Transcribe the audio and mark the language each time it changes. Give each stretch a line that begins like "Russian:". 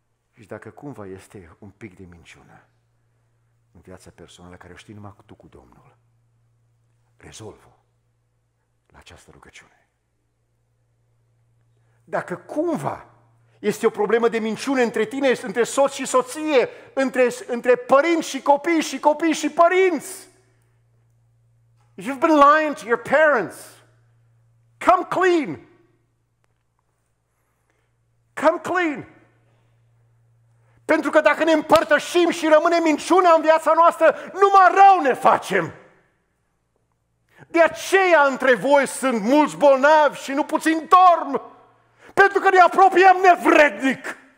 Romanian: Și dacă cumva este un pic de minciună în viața personală, care o știi numai tu cu Domnul, rezolvă la această rugăciune. Dacă cumva este o problemă de minciune între tine, între soț și soție, între părinți și copii și copii și părinți.
English: If you've been lying to your parents, come clean. Come clean.
Romanian: Pentru că dacă ne împărtășim și rămâne minciunea în viața noastră, numai rău ne facem. De aceea între voi sunt mulți bolnavi și nu puțin dorm, pentru că ne apropiem nevrednic.